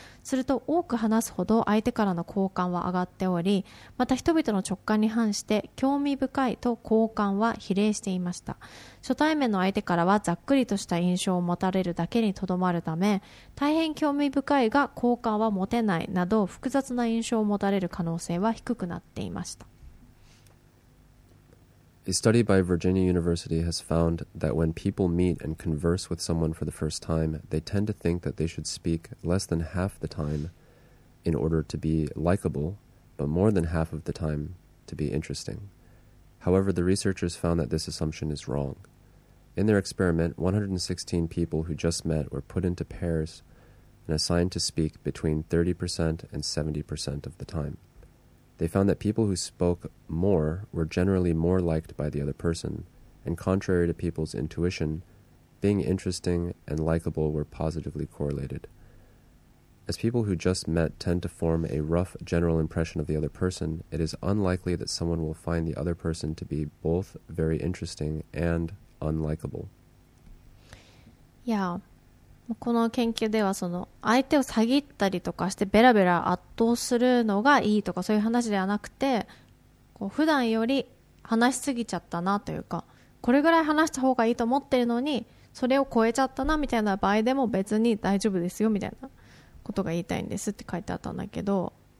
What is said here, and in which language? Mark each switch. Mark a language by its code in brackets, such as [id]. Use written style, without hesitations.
[ja] すると多く話すほど相手からの好感は上がっており、また人々の直感に反して興味深いと好感は比例していました。初対面の相手からはざっくりとした印象を持たれるだけにとどまるため、大変興味深いが好感は持てないなど複雑な印象を持たれる可能性は低くなっていました。 [en] A study by Virginia University has found that when people meet and converse with someone for the first time, they tend to think that they should speak less than half the time in order to be likable, but more than half of the time to be interesting. However, the researchers found that this assumption is wrong. In their experiment, 116 people who just met were put into pairs and assigned to speak between 30% and 70% of the time. They found that people who spoke more were generally more liked by the other person, and contrary to people's intuition, being interesting and likable were positively correlated. As people who just met tend to form a rough general impression of the other person, it is unlikely that someone will find the other person to be both very interesting and unlikable. Yeah. [ja] この研究ではその相手を詐欺ったりとかしてベラベラ圧倒するのがいいとかそういう話ではなくて、こう普段より話しすぎちゃったなというか、これぐらい話した方がいいと思ってるのにそれを超えちゃったなみたいな場合でも別に大丈夫ですよみたいなことが言いたいんですって書いてあったんだけど、